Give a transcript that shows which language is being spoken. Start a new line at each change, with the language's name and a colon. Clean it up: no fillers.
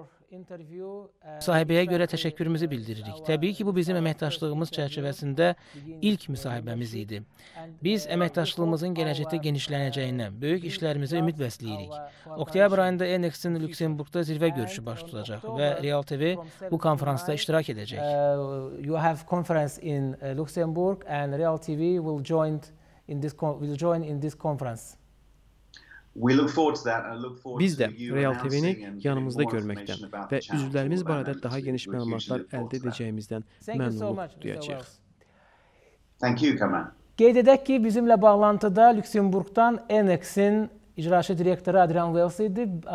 Azerbaijani: Müsahibəyə görə təşəkkürümüzü bildiririk. Təbii ki, bu bizim əməkdaşlığımız çərçivəsində ilk müsahibəmiz idi. Biz əməkdaşlığımızın gələcəkdə genişlənəcəyinə, böyük işlərimizə ümid bəsləyirik. Oktyabr ayında NX-in Lüksemburqda zirvə görüşü baş tutacaq və Real TV bu konfransda iştirak edəcək.
English: You have conference in Luxembourg and Real TV will join in this conference. We look forward to that. I look forward to you.
Azerbaijani: Biz də Real TV-ni yanımızda görməkdən və üzvlərimiz barədə daha geniş məlumatlar əldə edəcəyimizdən məmnunluq duyacağıq.
English: Thank you, Kamran.
Azerbaijani: Qeyd edək ki, bizimlə bağlantıda Lüksemburqdan NX-in icraçı direktoru Adrian Wells idi.